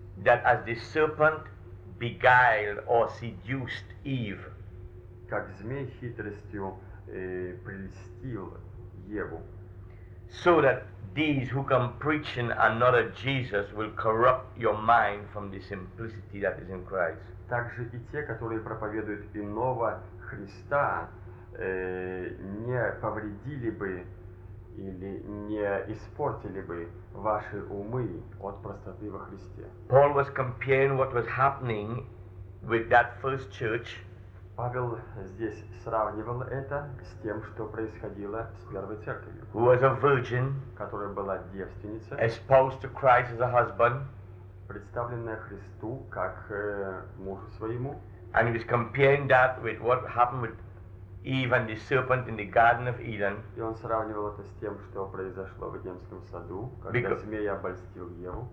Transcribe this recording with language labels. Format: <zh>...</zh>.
<en>That as the serpent beguiled or seduced Eve.</en> <ru>Как змей хитростью прельстил Еву.</ru> <en>So that these who come preaching another Jesus will corrupt your mind from the simplicity that is in Christ.</en> <ru>Также и те, которые проповедуют иного Христа, не повредили бы или не испортили бы ваши умы от простоты во Христе.</ru> <en>Paul was comparing what was happening with that first church.</en> <ru>Павел здесь сравнивал это с тем, что происходило с первой церковью.</ru> <en>Who was a virgin,</en> <ru>которая была девственницей,</ru> <en>exposed to Christ as a husband,</en> <ru>представленная Христу как мужу своему.</ru> <en>And he was comparing that with what happened with Eve and the serpent in the Garden of Eden.</en> <ru>И он сравнивал это с тем, что произошло в Эдемском саду, когда змей обольстил Еву.</ru>